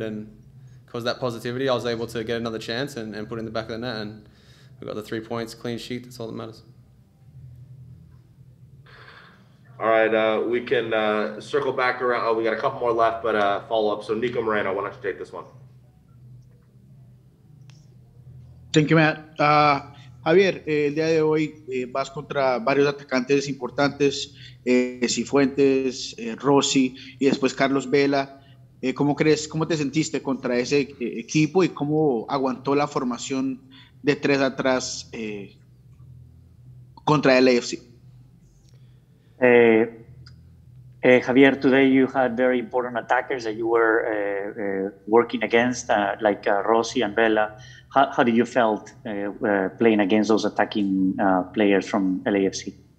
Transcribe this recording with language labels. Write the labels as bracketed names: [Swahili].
[English] And because that positivity, I was able to get another chance and put it in the back of the net, and we got the 3 points, clean sheet. That's all that matters. All right, we can circle back around. Oh, we got a couple more left, but follow up. So Nico Moreno, why don't you take this one? Thank you, Matt. [Spanish] Javier, el día de hoy vas contra varios atacantes importantes, Cifuentes, Rossi y después Carlos Vela. ¿Cómo crees, cómo te sentiste contra ese equipo y cómo aguantó la formación de tres atrás contra el LAFC? [English] Javier, today you had very important attackers that you were working against, like Rossi and Vela. How did you felt playing against those attacking players from LAFC?